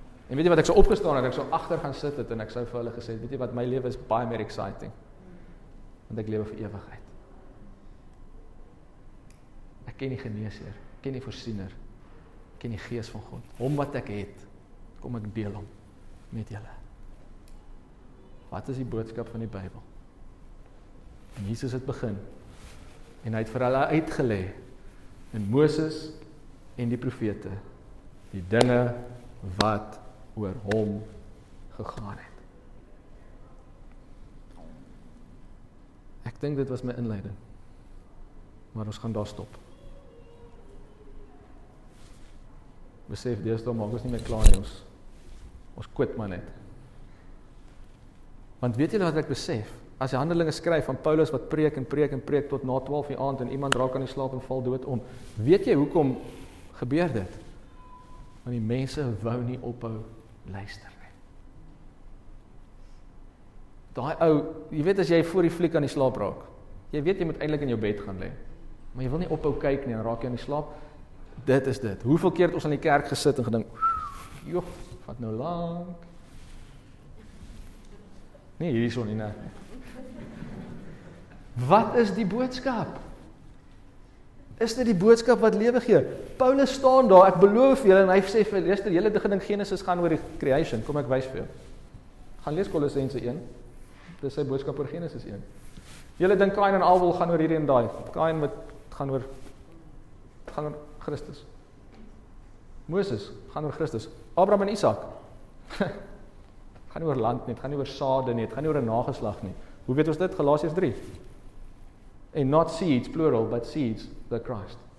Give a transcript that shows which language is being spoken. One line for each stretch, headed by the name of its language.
Afrikaans: En weet jy wat ek sou opgestaan het, ek sou agter gaan sit het en ek sou vir hulle gesê het, weet jy wat my lewe is baie meer exciting. Want ek lewe vir ewigheid. Ek ken die geneesheer, ken die voorsiener, ken die gees van God. Hom wat ek het, kom ek deel hom met julle. Wat is die boodskap van die Bybel? En Jesus het begin en hy het vir hulle uitgelê en Moses en die profete die dinge wat oor hom gegaan het. Ek dink dit was my inleiding. Maar ons gaan daar stop. Besef, deesdae maak ons nie meer klaar nie. Ons quit maar net. Want weet julle wat ek besef? As die handelinge skryf van Paulus wat preek en preek en preek tot na 12 die aand en iemand raak aan die slaap en val dood om. Weet jy hoekom gebeur dit? Want die mense wou nie ophou luister nie. Daai ou, jy weet as jy voor die fliek aan die slaap raak, jy weet jy moet eintlik in jou bed gaan lê. Maar jy wil nie ophou kyk nie en raak jy aan die slaap. Dit is dit. Hoeveel keer het ons aan die kerk gesit en gedink, joh, wat nou lang. Nee, hierdie son nie, nee. Wat is die boodskap? Is dit die boodskap wat lewe gee? Paulus staan daar, ek beloof vir julle, en hy sê vir julle, luister, julle gedink Genesis gaan oor die creation, kom ek wys vir julle. Gaan lees Kolossense 1, dit is sy boodskap oor Genesis 1. Julle dink Kain en Abel gaan oor hierdie en daai, Kain met, gaan oor Christus. Moses, gaan oor Christus. Abraham en Isaac, gaan oor land nie, gaan nie oor sade nie, gaan nie oor 'n nageslag nie. Hoe weet ons dit? Galasiërs 3.
English: En not seeds, plural, but seeds, the Christ.